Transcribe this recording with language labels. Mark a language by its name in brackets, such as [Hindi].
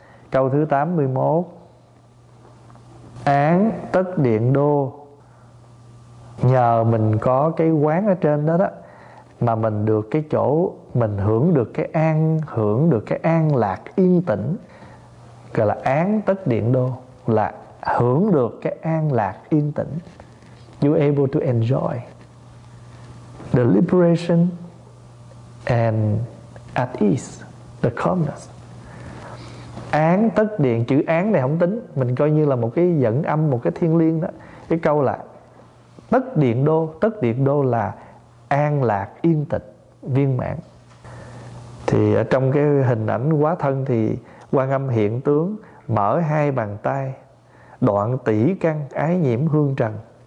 [Vietnamese] Câu thứ 81: án tất điện đô, nhờ mình có cái quán ở trên đó đó mà mình được cái chỗ, mình hưởng được cái an, hưởng được cái an lạc yên tĩnh, gọi là án tất điện đô, là hưởng được cái an lạc yên tĩnh. [English] You able to enjoy the liberation and at ease, the calmness. [Vietnamese] Án tất điện, chữ án này không tính, mình coi như là một cái dẫn âm, một cái thiên liên đó. Cái câu là tất điện đô, tất điện đô là an lạc yên tịch viên mãn. Thì ở trong cái hình ảnh hóa thân thì Quan Âm hiện tướng mở hai bàn tay, đoạn tỷ căn ái nhiễm hương trần.